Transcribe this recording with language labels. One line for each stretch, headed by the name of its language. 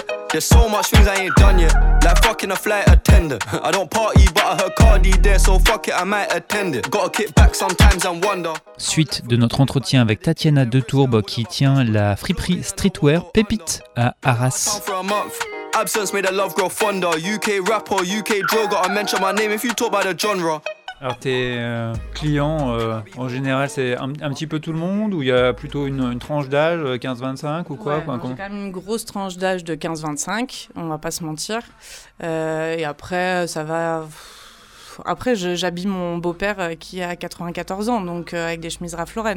English: There's so much things I ain't done yet. Like fucking a flight attendant. I don't party but I heard Cardi there, so fuck it, I might attend it. Gotta kick back sometimes and wonder.
French: Suite de notre entretien avec Tatiana de Tourbe qui tient la friperie streetwear Pépite à Arras.
English: Absence made the love grow fonder. UK rapper, UK drill, gotta mention my name if you talk about the genre.
French: Alors tes clients, en général, c'est un petit peu tout le monde ou il y a plutôt une tranche d'âge, 15-25 ou quoi? Ouais, quand même une grosse tranche d'âge de 15-25, on va pas se mentir. Et après, ça va... Après, j'habille mon beau-père qui a 94 ans, donc avec des chemises Ralph Lauren.